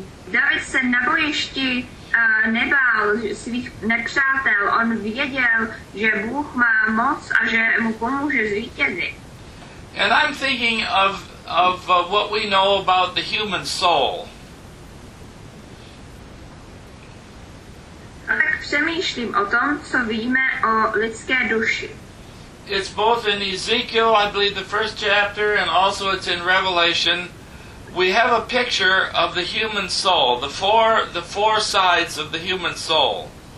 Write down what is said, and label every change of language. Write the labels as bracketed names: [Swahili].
[Czech] David se na bojišti nebál svých nepřátel. On věděl, že Bůh má moc a že mu pomůže zvítězit. [English] And I'm thinking of what we know about the human soul. [Czech] Tak přemýšlím o tom, co víme o lidské duši. [English] It's both in Ezekiel, I believe, the first chapter, and also it's in Revelation. We have a picture of the human soul, the four sides of the human soul.